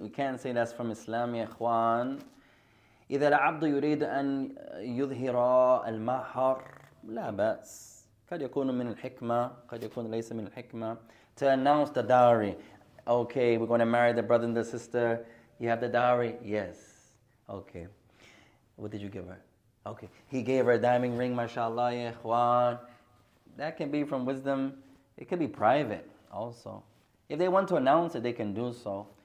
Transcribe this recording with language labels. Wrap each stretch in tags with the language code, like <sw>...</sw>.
<en>We can't say that's from Islam,</en> <ar>يا إخوان. إذا العبد يريد أن يظهر المهر لا بأس. قد يكون من الحكمة. قد يكون ليس من الحكمة.</ar> <en>To announce the dowry. Okay, we're going to marry the brother and the sister. You have the dowry? Yes. Okay. What did you give her? Okay. He gave her a diamond ring, mashallah,</en> <ar>يا إخوان.</ar> <en>That can be from wisdom. It could be private also. If they want to announce it, they can do so.</en>